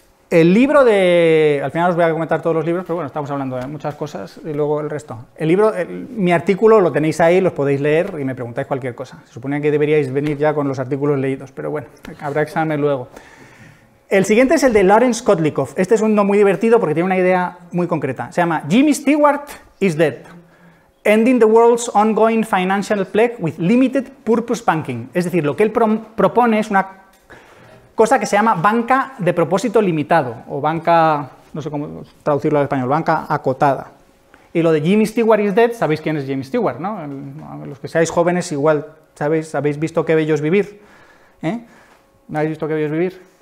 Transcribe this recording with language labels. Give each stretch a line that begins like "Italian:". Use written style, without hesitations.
Spanish: El libro de... Al final os voy a comentar todos los libros, pero bueno, estamos hablando de muchas cosas y luego el resto. El libro, mi artículo lo tenéis ahí, los podéis leer y me preguntáis cualquier cosa. Se suponía que deberíais venir ya con los artículos leídos, pero bueno, habrá examen luego. El siguiente es el de Lawrence Kotlikoff. Este es uno muy divertido porque tiene una idea muy concreta. Se llama Jimmy Stewart is dead.
English: Ending the world's ongoing financial plague with limited purpose banking.
Spanish: Es decir, lo que él propone es una cosa que se llama banca de propósito limitado o banca, no sé cómo traducirlo al español, banca acotada. Y lo de Jimmy Stewart is dead, sabéis quién es Jimmy Stewart, ¿no? Los que seáis jóvenes igual, ¿sabéis? ¿Habéis visto Qué bello es vivir? ¿Eh? ¿No habéis visto Qué bello es vivir?